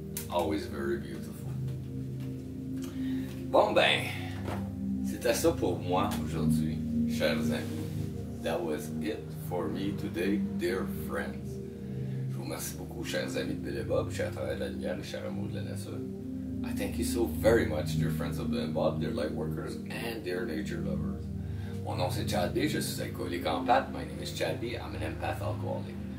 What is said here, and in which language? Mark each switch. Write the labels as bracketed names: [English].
[English] Always very beautiful. [French] Bon ben, c'était ça pour moi aujourd'hui, chers amis. [English] That was it for me today, dear friends. [French] Je vous remercie beaucoup, chers amis de Bill et Bob, chers travailleurs de la lumière, chers amours de la nature. [English] I thank you so very much, dear friends of Bill et Bob, dear light workers, and dear nature lovers. [French] Mon nom c'est Chad B, je suis alcoolique empath. [English] My name is Chad B, I'm an empath alcoholic.